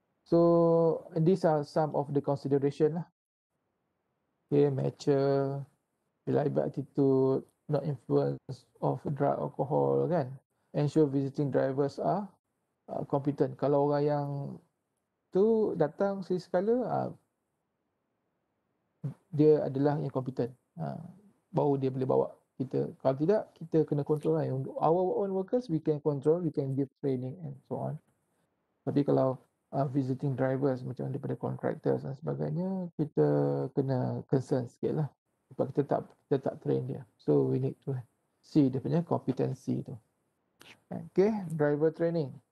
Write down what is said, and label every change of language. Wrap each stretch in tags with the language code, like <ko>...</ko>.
<en>So, these are some of the consideration lah. Okay, mature, reliable attitude, not influence of drug alcohol kan. Ensure visiting drivers are competent.</en> <ms>Kalau orang yang tu datang sekali-sekala, dia adalah yang competent. Baru dia boleh bawa kita. Kalau tidak, kita kena control lah.</ms> <en>Untuk our own workers, we can control, we can give training and so on.</en> <ms>Tapi kalau visiting drivers macam daripada contractors dan sebagainya, kita kena concern sikit lah sebab kita tak train dia.</ms> <en>So we need to see</en> <ms>dia punya</ms> <en>competency tu. Okay, driver training.</en>